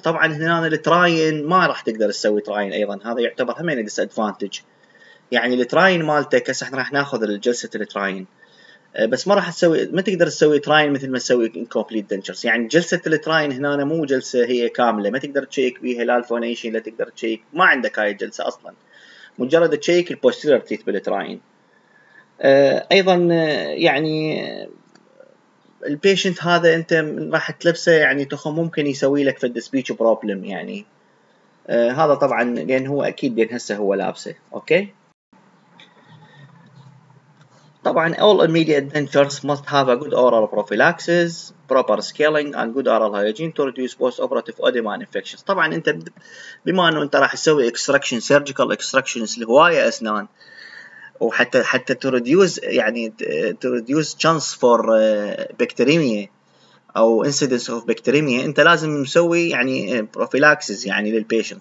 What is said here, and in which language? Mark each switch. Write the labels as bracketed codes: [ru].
[ar] طبعا هنا التراين ما راح تقدر تسوي تراين، ايضا هذا يعتبر همين ديس ادفانتج، يعني التراين مالتك هسه احنا راح ناخذ الجلسه التراين بس ما راح تسوي ما تقدر تسوي تراين مثل ما تسوي كومبليت دنتشرز، يعني جلسه التراين هنا مو جلسه هي كامله، ما تقدر تشيك بيها لا الفونيشن لا تقدر تشيك، ما عندك هاي الجلسه اصلا، مجرد تشيك البوستيرير تيث بالتراين. ايضا يعني البيشنت هذا انت راح تلبسه يعني تخم ممكن يسوي لك في السبيتش بروبلم، يعني هذا طبعا لان هو اكيد لان هسه هو لابسه. [en] Okay طبعا all immediate dentures must have a good oral prophylaxis, proper scaling and good oral hygiene to reduce post operative edema and infections. [ar] طبعا انت بما انه انت راح تسوي extraction surgical extractions لهواية اسنان وحتى to reduce يعني [en] to reduce chance for bacteremia [ar] او [en] incidence of bacteremia [ar] انت لازم مسوي يعني prophylaxis يعني للpatient.